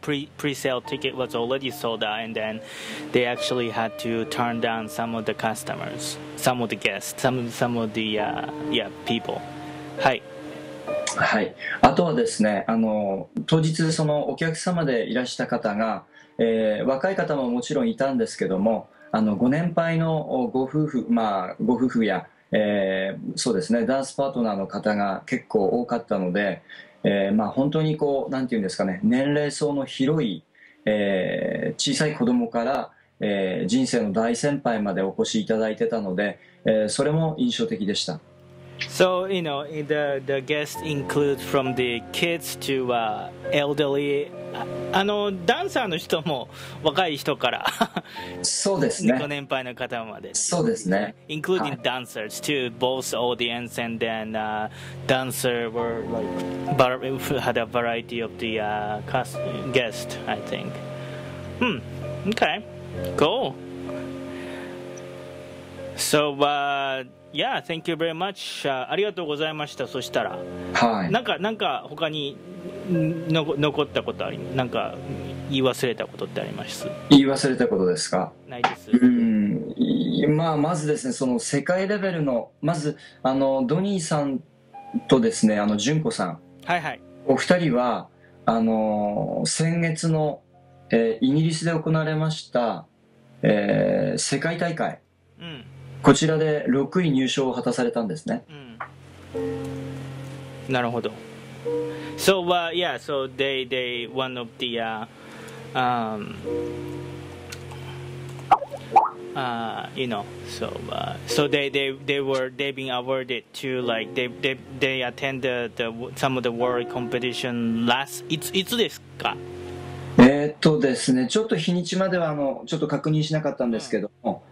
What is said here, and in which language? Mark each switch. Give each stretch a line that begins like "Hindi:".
English: Pre-sale ticket was already sold out, and then they actually had to turn down some of the customers, some of the guests, some of the people.
Japanese: はい。はい。あとはですね、当日そのお客様でいらした方が若い方ももちろんいたんですけども、ご年配のご夫婦、まあ、ご夫婦や、そうですね、ダンスパートナーの方が結構多かったので、まあ、本当にこう、なんていうんですかね、年齢層の広い、小さい子供から、人生の大先輩までお越しいただいてたので、それも印象的でした。
English: So, you know, the guests include from the kids to elderly.
Japanese: ダンサーの人も若い人からそうですね。ご年配の方まで。そうですね。
English: Including dancers to both audience and then dancer were like, had a variety of the guests, I think. Okay. Cool. So, Yeah, thank you very much.
Japanese: ありがとうございました。そしたら、はい。なんか他に残ったことあり、なんか言い忘れたことってあります？言い忘れたことですか？ないです。まあまずですね、その世界レベルのまずドニーさんとですね、ジュンコさん、はいはい。お二人は先月の、イギリスで行われました、世界大会。うん。こちらで6位入賞を果たされたんですね。うん、なるほど。
English: So, yeah, so they one of the you know, so so they've been awarded to like they attended the some of the world competition last
Japanese: いつですか？ですね、ちょっと日にちまではちょっと確認しなかったんですけども、